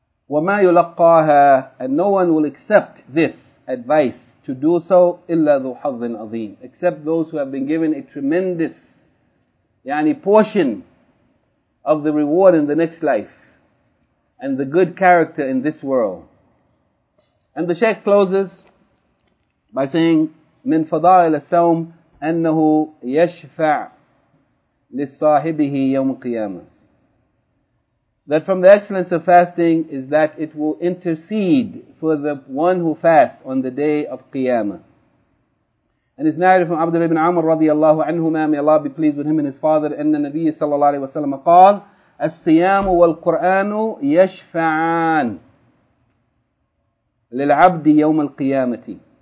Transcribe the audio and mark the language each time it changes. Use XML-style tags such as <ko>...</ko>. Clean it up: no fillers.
<ar>وَمَا يُلَقَّاهَا,</ar> <en>and no one will accept this advice to do so,</en> <ar>إِلَّا ذُو حَظٍ عَظِيمٍ,</ar> <en>except those who have been given a tremendous, يعني portion, of the reward in the next life and the good character in this world. And the Shaykh closes by saying,</en> <ar>من فضائل السوم أنه يشفع لصاحبه يوم القيامة.</ar> <en>That from the excellence of fasting is that it will intercede for the one who fasts on the day of Qiyamah. And it's narrated from Abdullah ibn Amr radiallahu anhu, may Allah be pleased with him and his father, and the Nabi sallallahu alayhi wa sallam qaal,</en> <ar>As-siyam wal-Qur'anu yashfa'an lil-abdi yawm al-qiyamati.</ar>